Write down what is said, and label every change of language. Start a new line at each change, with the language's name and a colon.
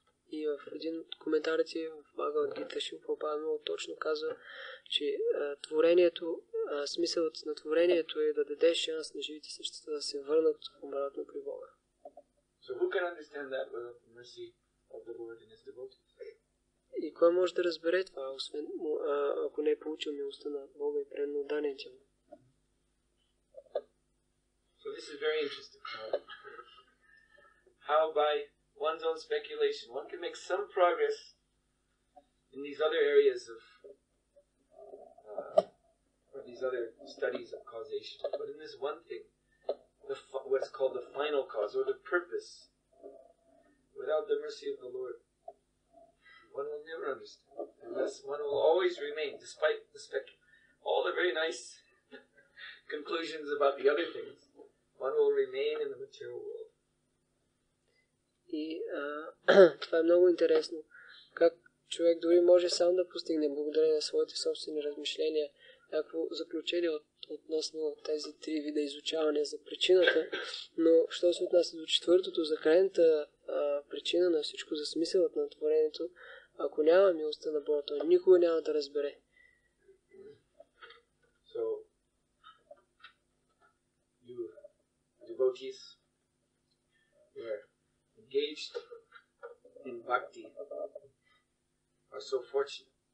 Bulgarian: И в един от коментарите в Бхагавад Гита Шрила Прабхупада много точно казва, че творението, смисълът на творението е да даде шанс на живите същества да се върнат обратно при Бога.
English: So who can understand that without the mercy of the Lord and His devotees?
Bulgarian: И кой може да разбере това, освен ако не е получил милостта на Бога и предно даните му?
English: So this is very interesting. How by one's own speculation one can make some progress in these other areas of these other studies of causation, but in this one thing, what's called the final cause or the purpose, without the mercy of the Lord, one will never understand, and thus one will always remain, despite the all the very nice conclusions about the other things, one will remain in the material world.
Bulgarian: И това е много интересно, как човек дори може сам да постигне благодарение на своите собствени размишления някакво заключение относно тези три вида изучавания за причината, но що се отнася до четвъртото, за крайната причина на всичко, за смисълът на творението, ако няма милостта на Бога, той никога няма да разбере.
English: So, you devotees, you are engaged in bhakti, are so fortunate.